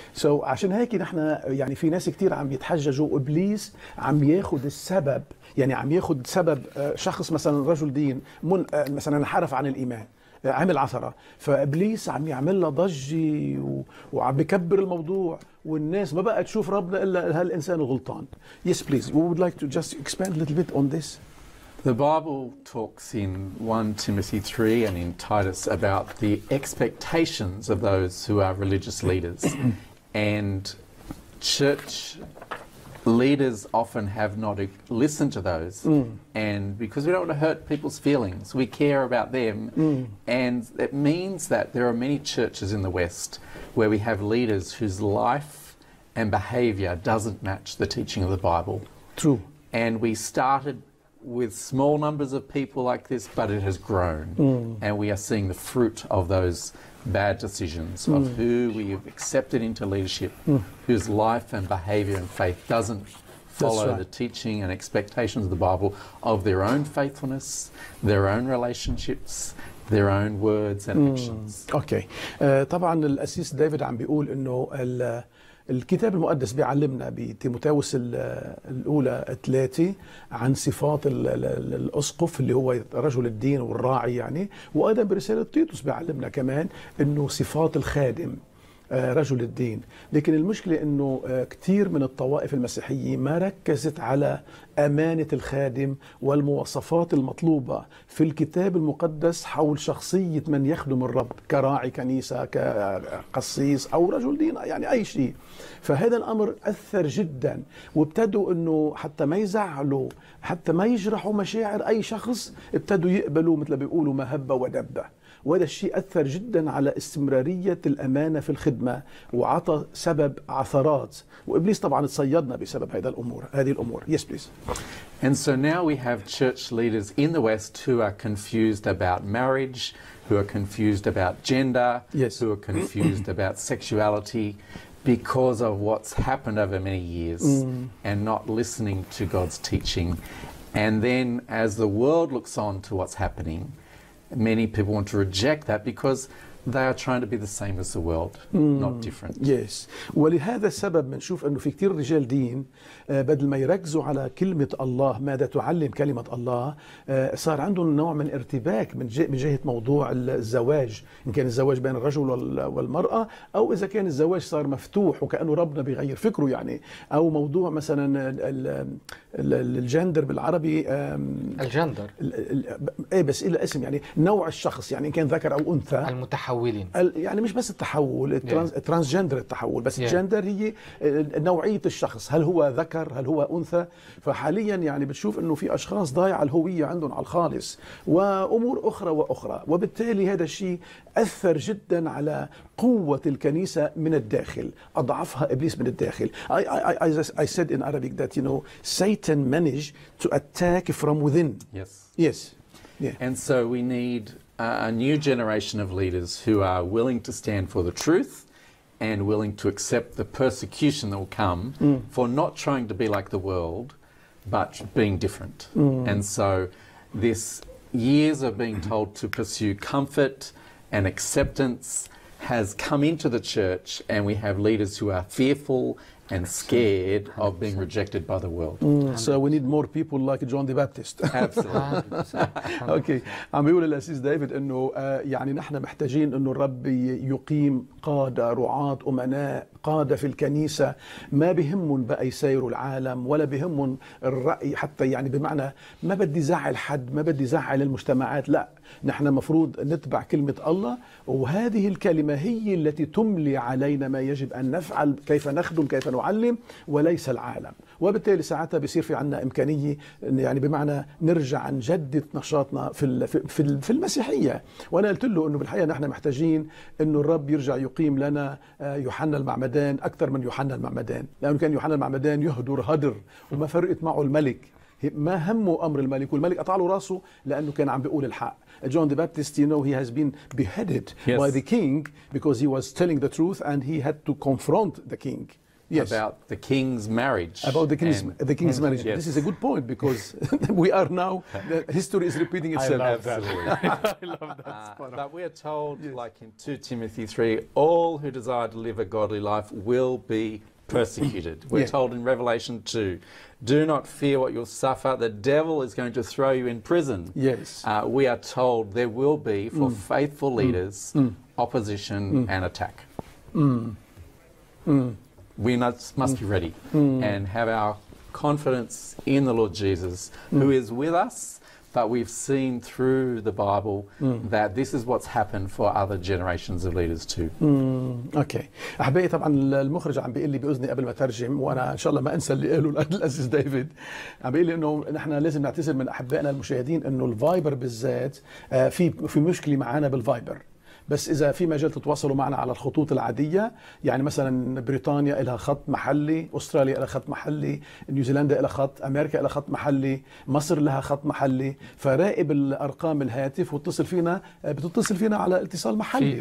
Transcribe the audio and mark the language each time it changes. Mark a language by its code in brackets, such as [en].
[en] So [ar] عشان هيك نحن يعني في ناس كتير عم يتحججوا إبليس عم ياخد السبب يعني عم ياخد سبب شخص مثلا رجل دين مثلا انحرف عن الإيمان عمل عثرة فإبليس عم يعمل له ضجة وعم بكبر الموضوع والناس ما بقى تشوف ربنا إلا هالإنسان غلطان. [en] Yes please, we would like to just expand a little bit on this. The Bible talks in 1 Timothy 3 and in Titus about the expectations of those who are religious leaders and church leaders often have not listened to those and because we don't want to hurt people's feelings we care about them and it means that there are many churches in the West where we have leaders whose life and behavior doesn't match the teaching of the Bible. True. And we started with small numbers of people like this but it has grown and we are seeing the fruit of those bad decisions of who we have accepted into leadership whose life and behavior and faith doesn't follow right. the teaching and expectations of the Bible of their own faithfulness, their own relationships, their own words and actions. Okay. [ar] طبعا الأسيس ديفيد عم بيقول انه الكتاب المقدس بيعلمنا بتيموتاوس الأولى 3 عن صفات الأسقف اللي هو رجل الدين والراعي يعني وأيضا برسالة تيتوس بيعلمنا كمان أنه صفات الخادم رجل الدين لكن المشكلة أنه كتير من الطوائف المسيحية ما ركزت على أمانة الخادم والمواصفات المطلوبة في الكتاب المقدس حول شخصية من يخدم الرب كراعي كنيسة كقسيس أو رجل دين يعني أي شيء فهذا الأمر أثر جدا وابتدوا أنه حتى ما يزعلوا حتى ما يجرحوا مشاعر أي شخص ابتدوا يقبلوا مثل بيقولوا مهبة ودبة وهذا الشيء أثر جدا على استمرارية الأمانة في الخدمة وعطى سبب عثرات وإبليس طبعا تصيدنا بسبب هذه الأمور. [en] Yes please. And so now we have church leaders in the West who are confused about marriage, who are confused about gender, yes. who are confused about sexuality because of what's happened over many years and not listening to God's teaching. And then as the world looks on to what's happening, many people want to reject that because they are trying to be the same as the world, not different. Yes. [ar] ولهذا السبب بنشوف انه في كثير رجال دين بدل ما يركزوا على كلمة الله ماذا تعلم كلمة الله صار عندهم نوع من ارتباك من جهة موضوع الزواج ان كان الزواج بين الرجل والمرأة او اذا كان الزواج صار مفتوح وكأنه ربنا بيغير فكره يعني او موضوع مثلا الجندر بالعربي الجندر ايه بس الى اسم يعني نوع الشخص يعني ان كان ذكر او انثى المتحول متحولين. يعني مش بس التحول الترانسجندر التحول بس الجندر هي نوعية الشخص، هل هو ذكر هل هو أنثى. فحاليا يعني بتشوف أنه في أشخاص ضايع الهوية عندهم على الخالص وأمور أخرى وأخرى، وبالتالي هذا الشيء أثر جدا على قوة الكنيسة من الداخل، أضعفها إبليس من الداخل. [en] I said in Arabic that you know Satan managed to attack from within. Yes. Yes. Yeah. And so we need a new generation of leaders who are willing to stand for the truth and willing to accept the persecution that will come for not trying to be like the world, but being different. Mm. And so this years of being told to pursue comfort and acceptance has come into the church, and we have leaders who are fearful and scared of being rejected by the world. So we need more people like John the Baptist. Absolutely. Okay. [ar] عم بيقول الأسيس ديفيد إنه يعني نحن محتاجين إنه الرب يقيم قادة، رعاة، أمناء، قادة في الكنيسة ما بهم بقى يسيروا العالم ولا بهم الرأي، حتى يعني بمعنى ما بدي زعل حد، ما بدي زعل المجتمعات، لا. نحن مفروض نتبع كلمة الله، وهذه الكلمة هي التي تملي علينا ما يجب أن نفعل، كيف نخدم، كيف نعلم، وليس العالم. وبالتالي ساعتها بيصير في عنا إمكانية، يعني بمعنى نرجع نجدد نشاطنا في المسيحية. وأنا قلت له أنه بالحقيقة نحن محتاجين أنه الرب يرجع يقيم لنا يوحنا المعمدان أكثر من يوحنا المعمدان، لأنه كان يوحنا المعمدان يهدر هدر وما فرقت معه الملك، ما همه أمر الملك، والملك قطع له راسه لأنه كان عم بيقول الحق. [en] John the Baptist, you know, he has been beheaded yes. by the king because he was telling the truth and he had to confront the king. Yes. About the king's marriage. About the king's, and, the king's marriage. Yes. This is a good point because we are now, history is repeating itself. I love that. I love that. Spot but we are told, yes. like in 2 Timothy 3, all who desire to live a godly life will be persecuted. We're yeah. told in Revelation 2, do not fear what you'll suffer. The devil is going to throw you in prison. Yes. We are told there will be, for faithful leaders, opposition and attack. We must be ready and have our confidence in the Lord Jesus, who is with us, but we've seen through the Bible that this is what's happened for other generations of leaders too. Okay. [ar] أحبائي طبعا المخرج عم بيقول لي بأذني قبل ما ترجم، وأنا إن شاء الله ما أنسى اللي قاله الأسيس ديفيد، عم بيقول لي إنه نحن لازم نعتذر من أحبائنا المشاهدين إنه الفايبر بالذات في مشكلة معانا بالفايبر. بس إذا في مجال تتواصلوا معنا على الخطوط العادية، يعني مثلا بريطانيا إلها خط محلي، أستراليا إلها خط محلي، نيوزيلندا إلها خط، أمريكا إلها خط محلي، مصر لها خط محلي، فراقب الأرقام الهاتف واتصل فينا، بتتصل فينا على اتصال محلي.